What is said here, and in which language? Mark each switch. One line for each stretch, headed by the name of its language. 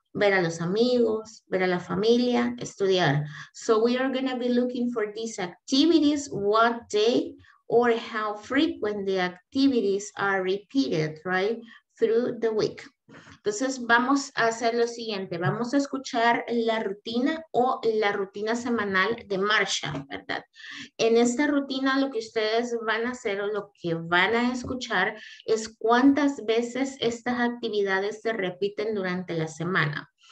Spanish: ver a los amigos, ver a la familia, estudiar.
English: So we are going to be looking for these activities, what day or how frequent the activities are repeated, right, through the week.
Spanish: Entonces vamos a hacer lo siguiente, vamos a escuchar la rutina o la rutina semanal de marcha, ¿verdad? En esta rutina lo que ustedes van a hacer o lo que van a escuchar es cuántas veces estas actividades se repiten durante la semana.